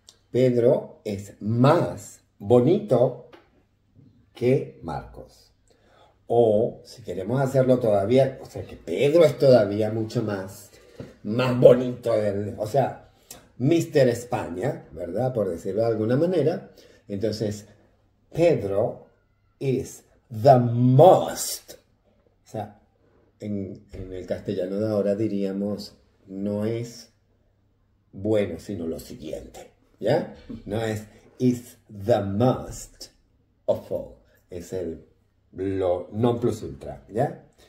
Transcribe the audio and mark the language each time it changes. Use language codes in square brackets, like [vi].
[es] Pedro es más bonito que Marcos. O si queremos hacerlo todavía, o sea, que Pedro es todavía mucho más bonito, o sea, Mr. España, ¿verdad? Por decirlo de alguna manera. Entonces, [en] Pedro is the most. [es] O sea, en el castellano de ahora diríamos, no es bueno, sino lo siguiente, ¿ya? No es, [en] is the most of all, [es] es el lo non plus ultra, ¿ya?